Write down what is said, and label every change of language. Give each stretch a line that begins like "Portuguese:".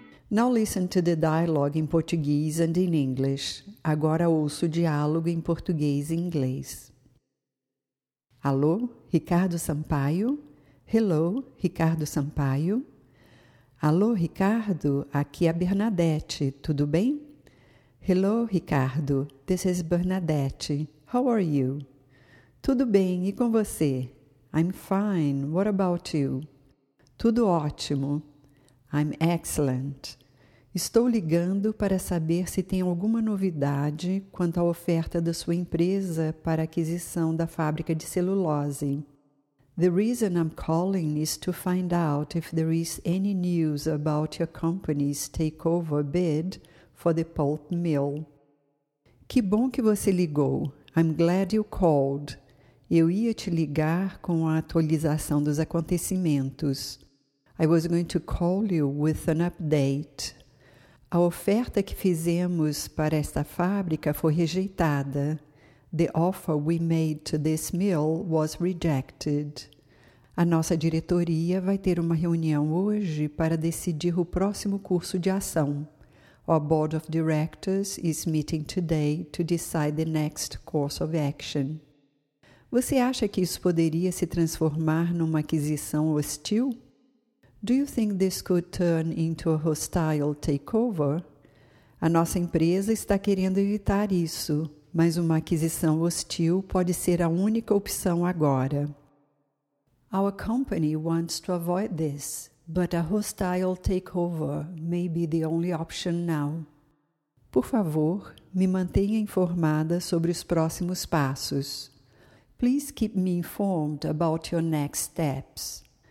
English: Now listen to the dialogue in Portuguese and in English.
Portuguese: Agora ouço o diálogo em português e inglês. Alô, Ricardo Sampaio.
English: Hello, Ricardo Sampaio.
Portuguese: Alô, Ricardo, aqui é a Bernadette, tudo bem?
English: Hello, Ricardo, this is Bernadette. How are you?
Portuguese: Tudo bem, e com você?
English: I'm fine, what about you?
Portuguese: Tudo ótimo.
English: I'm excellent.
Portuguese: Estou ligando para saber se tem alguma novidade quanto à oferta da sua empresa para aquisição da fábrica de celulose.
English: The reason I'm calling is to find out if there is any news about your company's takeover bid for the pulp mill.
Portuguese: Que bom que você ligou.
English: I'm glad you called.
Portuguese: Eu ia te ligar com a atualização dos acontecimentos.
English: I was going to call you with an update.
Portuguese: A oferta que fizemos para esta fábrica foi rejeitada.
English: The offer we made to this mill was rejected.
Portuguese: A nossa diretoria vai ter uma reunião hoje para decidir o próximo curso de ação.
English: Our board of directors is meeting today to decide the next course of action.
Portuguese: Você acha que isso poderia se transformar numa aquisição hostil?
English: Do you think this could turn into a hostile takeover?
Portuguese: A nossa empresa está querendo evitar isso, mas uma aquisição hostil pode ser a única opção agora.
English: Our company wants to avoid this, but a hostile takeover may be the only option now.
Portuguese: Por favor, me mantenha informada sobre os próximos passos.
English: Please keep me informed about your next steps.